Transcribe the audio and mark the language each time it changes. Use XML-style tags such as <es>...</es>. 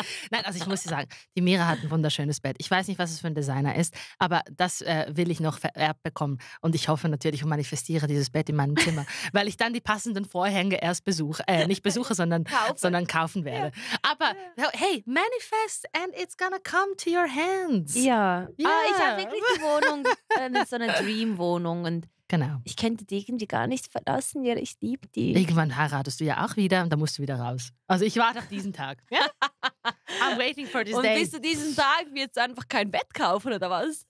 <de>Nein, also ich muss dir sagen, die Mira hat ein wunderschönes Bett. Ich weiß nicht, was es für ein Designer ist, aber das will ich noch vererbt bekommen. Und ich hoffe natürlich und manifestiere dieses Bett in meinem Zimmer, weil ich dann die passenden Vorhänge erst kaufen werde. Ja. Aber ja.</de> <en>hey, manifest and it's gonna come to your hands. Ja. Yeah.</en> <de>Ah, ich habe wirklich die Wohnung, so eine Dream-Wohnung und genau. Ich könnte die irgendwie gar nicht verlassen, ja, ich liebe die. Irgendwann heiratest du ja auch wieder und dann musst du wieder raus. Also ich warte auf diesen Tag.</de> <en>I'm waiting for this</en> <de>und</de> <en>day.</en> <de>Und bis zu diesem Tag wird es einfach kein Bett kaufen, oder was?</de>